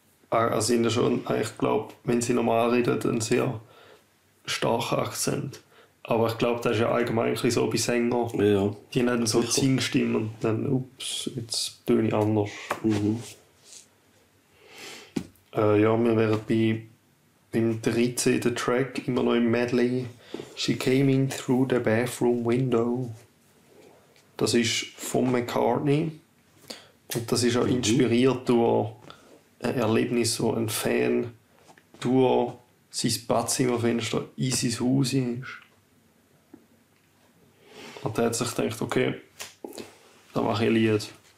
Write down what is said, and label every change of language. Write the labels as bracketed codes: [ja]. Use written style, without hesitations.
[de] Sie sind ja schon, ich glaube, wenn sie normal reden, dann sehr starker Akzent. Aber ich glaube, das ist ja allgemein so bei Sängern. Ja, die haben dann so sicher. Zingstimmen und dann, ups, jetzt töne ich anders. Mhm. Ja, wir wären bei... Im 13. Track, immer noch im Medley. [en] She came in through the bathroom window. [de] Das ist von McCartney. Und das ist auch inspiriert durch ein Erlebnis, wo ein Fan durch sein Badzimmerfenster in sein Haus ist. Und er hat sich gedacht, okay, da mache ich ein Lied.